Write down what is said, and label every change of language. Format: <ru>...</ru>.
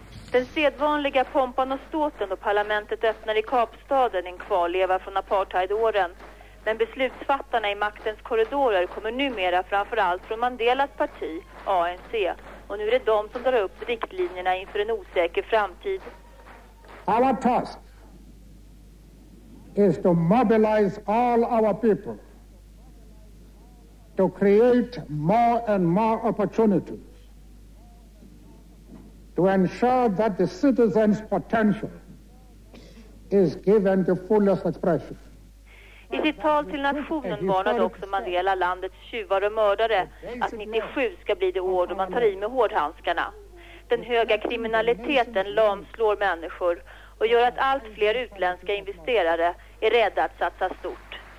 <sv>Den sedvanliga pompan och ståten då parlamentet öppnar i Kapstaden, en kvarleva från apartheidåren. men beslutsfattarna i maktens korridorer kommer numera framförallt från Mandelas parti, ANC. Och nu är det de som drar upp riktlinjerna inför en osäker framtid.</sv> <en>Our task is to mobilize all our people to create more and more opportunities to ensure that the citizens' potential is given the fullest expression.</en> <sv>I sitt tal till nationen varnade också Mandela landets tjuvar och mördare att 97 ska bli det år då man tar i med hårdhandskarna. Den höga kriminaliteten lamslår människor och gör att allt fler utländska investerare är rädda att satsa stort.</sv>